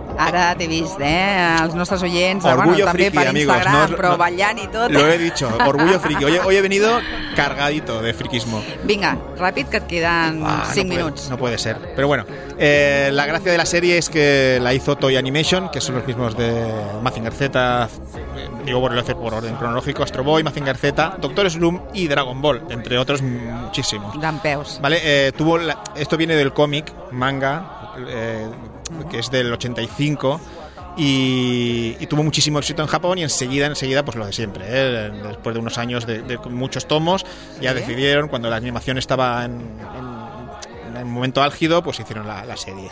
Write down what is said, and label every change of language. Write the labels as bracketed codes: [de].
[ca] ara t'he vist, els nostres oients, [es] Orgullo bueno, friki, [ca] també per [es] amigos, Instagram, no, [ca] però ballant i tot. [es] Lo he dicho, orgullo friki. Hoy he venido cargadito de friquismo. [ca] Vinga, ràpid, que et queden 5 minuts. [es] No puede ser. Pero bueno, la gracia de la serie es que la hizo Toy Animation, que son los mismos de Mazinger Z, digo, bueno, lo hace por orden cronológico, Astro Boy, Mazinger Z, Doctor Slump y Dragon Ball, entre otros muchísimos. Dampeos. Vale, esto viene del cómic, manga, que es del 85 y tuvo muchísimo éxito en Japón, y enseguida pues lo de siempre, después de unos años de muchos tomos, ya decidieron, cuando la animación estaba en momento álgido, pues hicieron la serie.